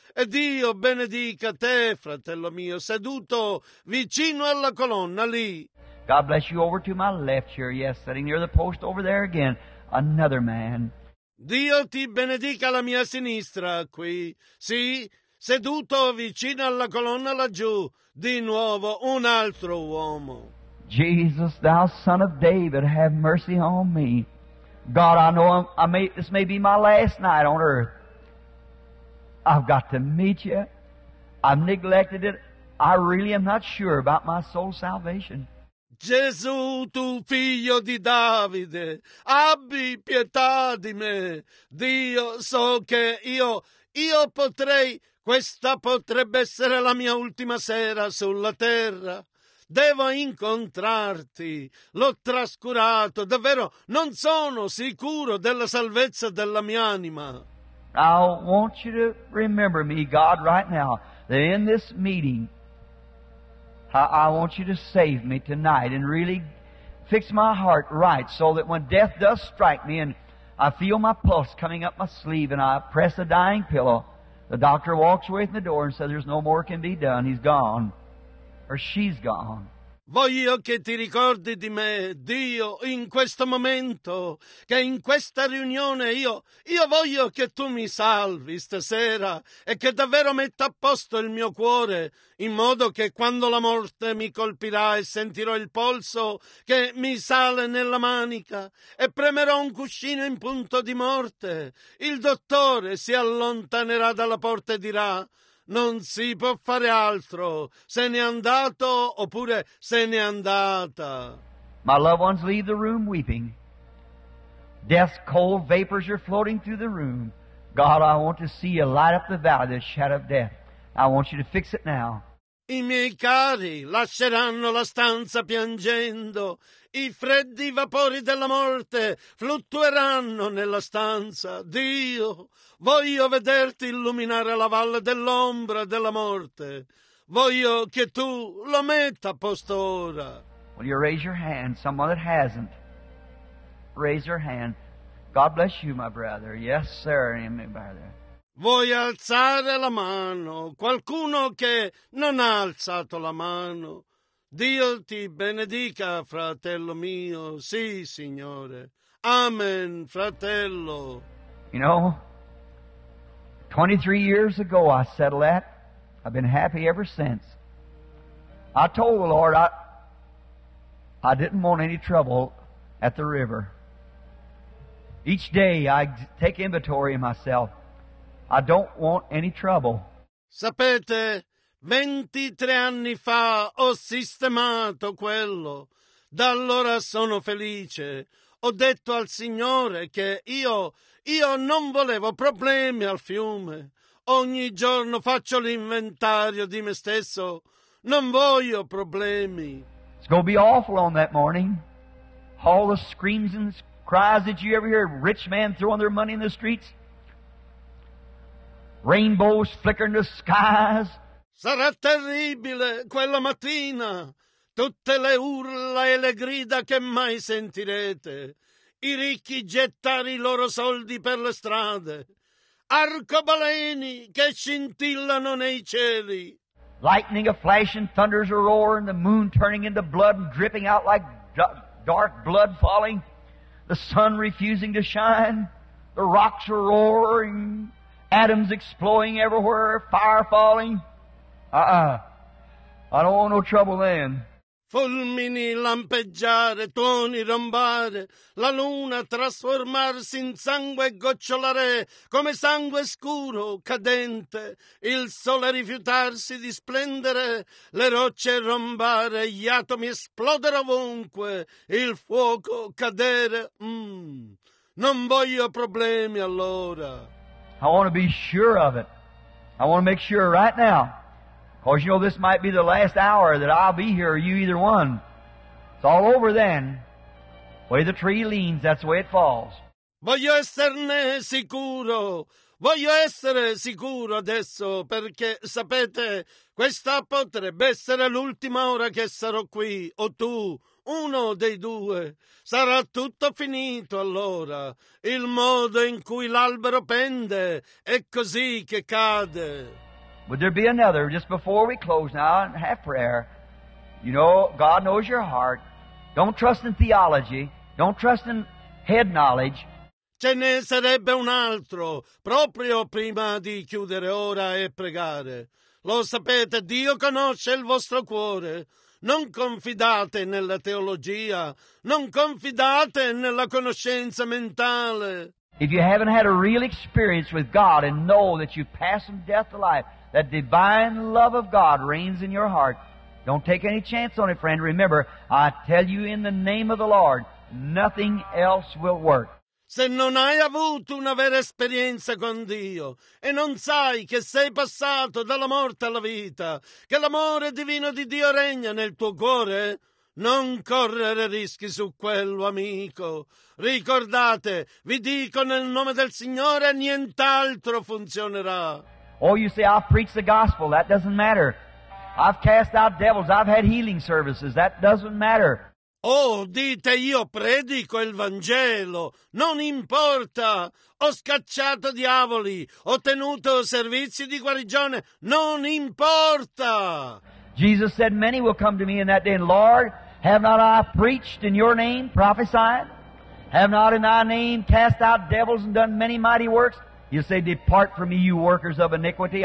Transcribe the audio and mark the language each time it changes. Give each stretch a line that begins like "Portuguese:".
Italian: E Dio benedica te, fratello mio, seduto vicino alla colonna lì.
English: God bless you over to my left here, yes, sitting near the post over there again, another man.
Italian: Dio ti benedica la mia sinistra qui, sì, seduto vicino alla colonna laggiù, di nuovo un altro uomo.
English: Jesus, thou son of David, have mercy on me. God, I know this may be my last night on earth. I've got to meet you. I've neglected it. I really am not sure about my soul's salvation.
Italian: Gesù, tu figlio di Davide, abbi pietà di me. Dio, so che io potrei, questa potrebbe essere la mia ultima sera sulla terra. Devo incontrarti, l'ho trascurato, davvero non sono sicuro della salvezza della mia anima.
English: I want you to remember me, God, right now, that in this meeting, I want you to save me tonight and really fix my heart right so that when death does strike me and I feel my pulse coming up my sleeve and I press a dying pillow, the doctor walks away from the door and says, there's no more can be done, he's gone. Or she's gone.
Italian: Voglio che ti ricordi di me, Dio, in questo momento, che in questa riunione io voglio che tu mi salvi stasera e che davvero metta a posto il mio cuore, in modo che quando la morte mi colpirà e sentirò il polso che mi sale nella manica e premerò un cuscino in punto di morte, il dottore si allontanerà dalla porta e dirà: non si può fare altro. Se n'è andato oppure se n'è andata.
English: My loved ones leave the room weeping. Death's cold vapors are floating through the room. God, I want to see you light up the valley, the shadow of death. I want you to fix it now.
Italian: I miei cari lasceranno la stanza piangendo. I freddi vapori della morte fluttueranno nella stanza. Dio, voglio vederti illuminare la valle dell'ombra della morte. Voglio che tu lo metta a posto ora.
English: Will you raise your hand, someone that hasn't? Raise your hand. God bless you, my brother. Yes, sir, amen, brother.
Italian: Vuoi alzare la mano? Qualcuno che non ha alzato la mano. Dio ti benedica, fratello mio. Sì, Signore. Amen, fratello.
English: You know, 23 years ago I settled that. I've been happy ever since. I told the Lord I didn't want any trouble at the river. Each day I take inventory of myself. I don't want any trouble.
Italian: Sapete, 23 anni fa ho sistemato quello. Da allora sono felice. Ho detto al Signore che io non volevo problemi al fiume. Ogni giorno faccio l'inventario di me stesso. Non voglio problemi.
English: It's going to be awful on that morning. All the screams and cries that you ever hear, rich men throwing their money in the streets. Rainbows flickering the skies.
Italian: Sarà terribile quella mattina. Tutte le urla e le grida che mai sentirete. I ricchi gettare i loro soldi per le strade. Arcobaleni che scintillano nei cieli.
English: Lightning a flashing, thunders a roaring, the moon turning into blood and dripping out like dark blood falling. The sun refusing to shine. The rocks are roaring. Atoms exploding everywhere, fire falling. I don't want no trouble then.
Italian: Fulmini lampeggiare, tuoni rombare, la luna trasformarsi in sangue gocciolare, come sangue scuro cadente, il sole rifiutarsi di splendere, le rocce rombare, gli atomi esplodere ovunque, il fuoco cadere. Non voglio problemi allora.
English: I want to be sure of it. I want to make sure right now. Because you know this might be the last hour that I'll be here, or you either one. It's all over then. The way the tree leans, that's the way it falls.
Italian: Voglio esserne sicuro. Voglio essere sicuro adesso, perché sapete, questa potrebbe essere l'ultima ora che sarò qui, o tu. Uno dei due. Sarà tutto finito allora. Il modo in cui l'albero pende è così che cade.
English: Would there be another, just before we close now and have prayer? You know, God knows your heart. Don't trust in theology. Don't trust in head knowledge.
Italian: Ce ne sarebbe un altro, proprio prima di chiudere ora e pregare. Lo sapete, Dio conosce il vostro cuore. Non confidate nella teologia. Non confidate nella conoscenza mentale.
English: If you haven't had a real experience with God and know that you pass from death to life, that divine love of God reigns in your heart, don't take any chance on it, friend. Remember, I tell you in the name of the Lord, nothing else will work.
Italian: Se non hai avuto una vera esperienza con Dio e non sai che sei passato dalla morte alla vita, che l'amore divino di Dio regna nel tuo cuore, non correre rischi su quello, amico. Ricordate, vi dico nel nome del Signore, nient'altro funzionerà.
English: Oh, you say, I've preached the gospel. That doesn't matter. I've cast out devils. I've had healing services. That doesn't matter.
Italian: Oh, dite, io predico il Vangelo. Non importa. Ho scacciato diavoli. Ho tenuto servizi di guarigione. Non importa.
English: Jesus said, many will come to me in that day. And Lord, have not I preached in your name, prophesied? Have not in thy name cast out devils and done many mighty works? You say, depart from me, you workers of iniquity.